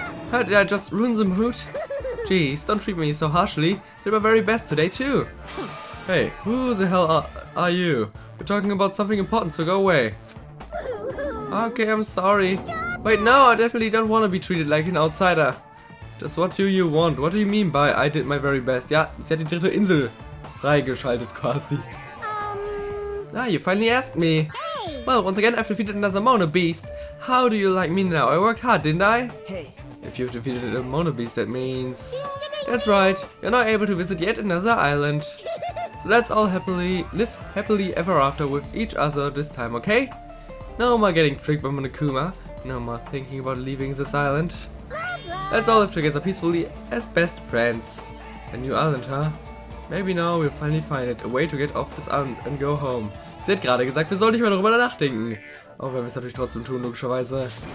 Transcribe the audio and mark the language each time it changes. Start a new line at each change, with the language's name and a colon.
English: How did I just ruin the mood? Jeez, don't treat me so harshly. Did my very best today, too. Hey, who the hell are you? We're talking about something important, so go away. Okay, I'm sorry. Stop. Wait, no, I definitely don't want to be treated like an outsider. Just what do you want? What do you mean by I did my very best?
German: Ja, ich hatte die dritte Insel freigeschaltet quasi.
English: Ah, you finally asked me. Hey. Well, once again, I've defeated another Mono Beast. How do you like me now? I worked hard, didn't I? Hey. If you've defeated a Mono Beast, that means... Ding, ding, ding. That's right, you're not able to visit yet another island. So let's all happily live happily ever after with each other this time, okay? No more getting tricked by Monokuma. No more thinking about leaving this island. Let's all live together peacefully as best friends. A new island, huh? Maybe now we'll finally find it, a way to get off this island and go home.
German: Sie hat gerade gesagt, wir sollen nicht mehr darüber nachdenken. Auch wenn wir es natürlich trotzdem tun, logischerweise.